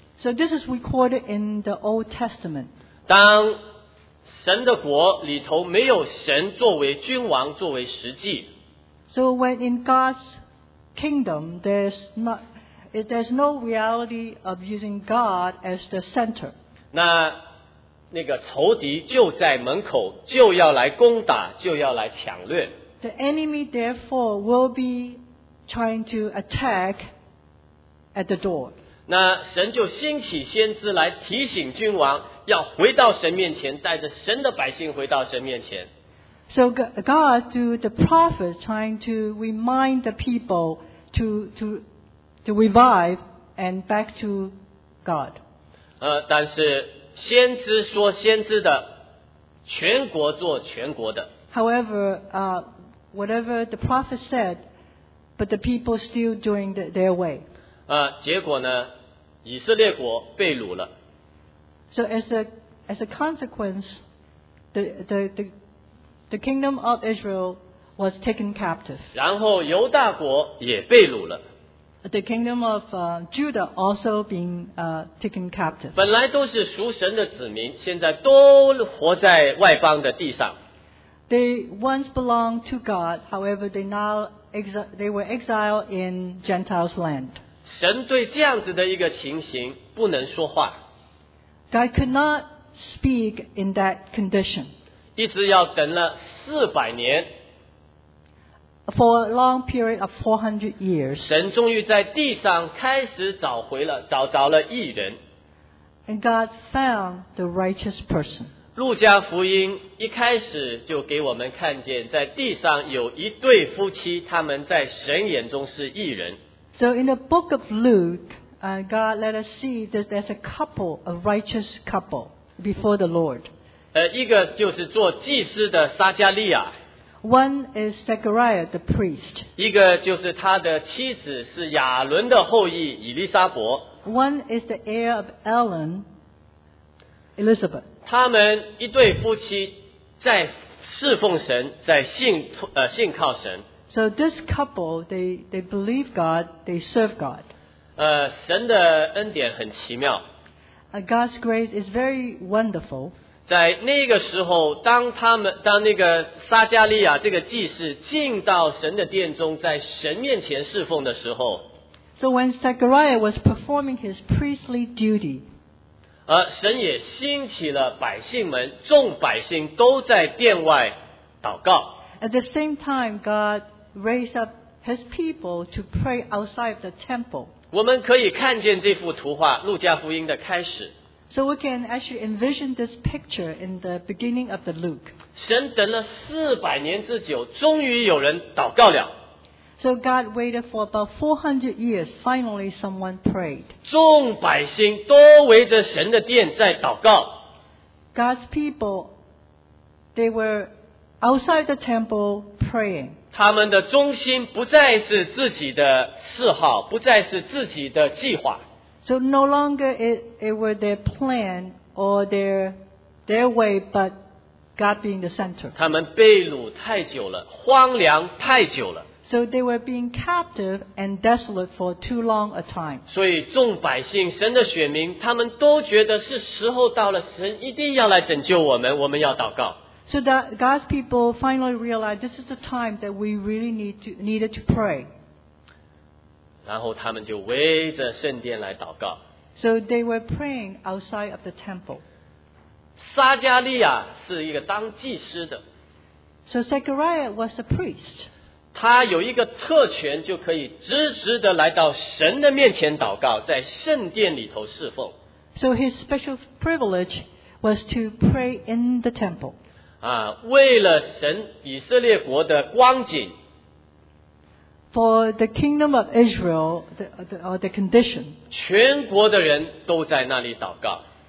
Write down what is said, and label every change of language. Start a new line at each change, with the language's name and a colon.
English: So this is recorded in the Old Testament.
Chinese: 当神的国里头没有神作为君王作为实际。
English: So when in God's kingdom, there's no reality of using God as the center.
Chinese: 那个仇敌就在门口，就要来攻打，就要来抢掠。
English: The enemy therefore will be trying to attack at the door.
Chinese: 那神就兴起先知来提醒君王，要回到神面前，带着神的百姓回到神面前。
English: So God through the prophet trying to remind the people to revive and back to God.
Chinese: 但是先知说先知的，全国做全国的。
English: However, whatever the prophet said, but the people still doing their way.
Chinese: 结果呢，以色列国被掳了。
English: So as a consequence, the kingdom of Israel was taken captive.
Chinese: 然后犹大国也被掳了。
English: The kingdom of Judah also being taken captive.
Chinese: 本来都是属神的子民，现在都活在外邦的地上。
English: They once belonged to God, however, they were exiled in Gentiles' land.
Chinese: 神对这样子的一个情形不能说话。
English: God could not speak in that condition.
Chinese: 一直要等了400年。
English: For a long period of 400 years.
Chinese: 神终于在地上开始找着了义人。
English: And God found the righteous person.
Chinese: 路加福音一开始就给我们看见在地上有一对夫妻，他们在神眼中是义人。
English: So in the book of Luke, God let us see that there's a couple, a righteous couple before the Lord.
Chinese: 一个就是做祭司的撒加利亚。
English: One is Zechariah, the priest.
Chinese: 一个就是他的妻子是亚伦的后裔以利沙伯。
English: One is the heir of Aaron, Elizabeth.
Chinese: 他们一对夫妻在侍奉神，在信靠神。
English: So this couple, they believe God, they serve God.
Chinese: 神的恩典很奇妙。
English: God's grace is very wonderful.
Chinese: 在那个时候，当那个撒加利亚这个祭司进到神的殿中，在神面前侍奉的时候。
English: So when Zechariah was performing his priestly duty,
Chinese: 神也兴起了百姓们，众百姓都在殿外祷告。
English: At the same time, God raised up his people to pray outside of the temple.
Chinese: 我们可以看见这幅图画，路加福音的开始。
English: So we can actually envision this picture in the beginning of the Luke.
Chinese: 神等了四百年之久，终于有人祷告了。
English: So God waited for about 400 years. Finally, someone prayed.
Chinese: 众百姓都围着神的殿在祷告。
English: God's people, they were outside the temple praying.
Chinese: 他们的中心不再是自己的嗜好，不再是自己的计划。
English: So no longer it were their plan or their way, but God being the center.
Chinese: 他们被掳太久了，荒凉太久了。
English: So they were being captive and desolate for too long a time.
Chinese: 所以众百姓，神的选民，他们都觉得是时候到了，神一定要来拯救我们，我们要祷告。
English: So that God's people finally realized this is the time that we really needed to pray.
Chinese: 然后他们就围着圣殿来祷告。
English: So they were praying outside of the temple.
Chinese: 撒加利亚是一个当祭司的。
English: So Zechariah was a priest.
Chinese: 他有一个特权，就可以直直的来到神的面前祷告，在圣殿里头侍奉。
English: So his special privilege was to pray in the temple.
Chinese: 啊，为了神以色列国的光景。
English: For the kingdom of Israel, the condition.
Chinese: 全国的人都在那里祷告。